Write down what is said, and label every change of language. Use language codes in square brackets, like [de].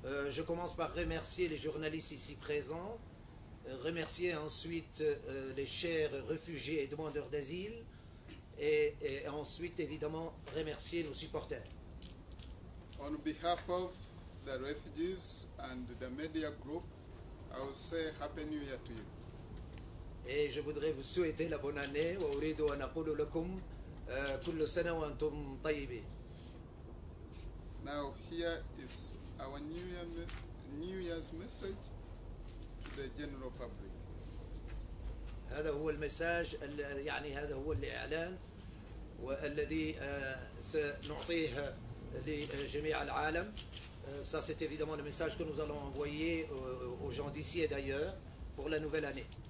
[fr] Je commence par remercier les journalistes ici présents, remercier ensuite les chers réfugiés et demandeurs d'asile, et ensuite évidemment remercier nos supporters. [en] On behalf of the refugees and the media group, I will say Happy New Year to you. [fr] Et je voudrais vous souhaiter la bonne année. [ar] وأريد أن أقول لكم كل سنة وأنتم طيبين. [en] Now here is our New Year's message to the general public. [ar] هذا هو المساج يعني هذا هو الإعلان والذي سنعطيه لجميع العالم. [fr] Ça c'est évidemment le message que nous allons envoyer aux gens d'ici et d'ailleurs pour la nouvelle année.